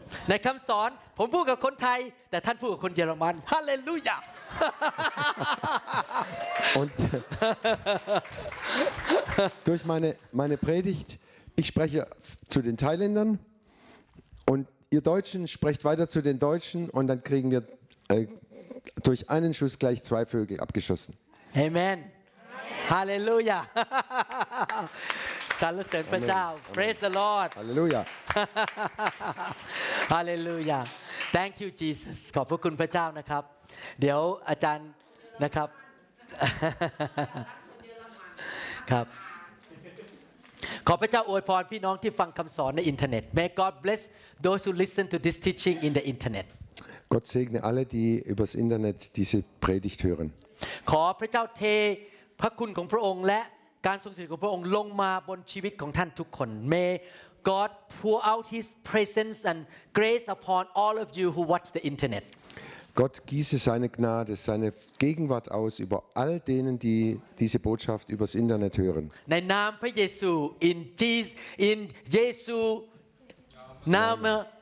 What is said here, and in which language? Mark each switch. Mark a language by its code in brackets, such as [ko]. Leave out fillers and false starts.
[th] ในคำสอนผมพูดกับคนไทยแต่ท่านพูดกับคนเยอรมันฮาเลลูยา [de] Und durch meine Predigt ich spreche zu den Thailändern und ihr Deutschen sprecht weiter zu den Deutschen und dann kriegen wir durch einen Schuss gleich zwei Vögel abgeschossen. [en] Amen. Amen. Hallelujah. Salut, Pastor. Amen. Praise the Lord. Hallelujah. Hallelujah. Thank you, Jesus. [th] ขอบพระคุณพระเจ้านะครับเดี๋ยวอาจารย์นะครับครับขอพระเจ้าอวยพรพี่น้องที่ฟังคำสอนในอินเทอร์เน็ต [en] May God bless those who listen to this teaching in the internet. [de] Gott segne alle, die übers Internet diese Predigt hören. [th] ขอพระเจ้าเทพระคุณของพระองค์และการทรงสถิตของพระองค์ลงมาบนชีวิตของท่านทุกคน [en] May God pour out His presence and grace upon all of you who watch the Internet. [de] Gott gieße seine Gnade, seine Gegenwart aus über all denen, die diese Botschaft übers Internet hören. [th] ในนามพระเยซู [en] in Jesus [de] in Jesu Name.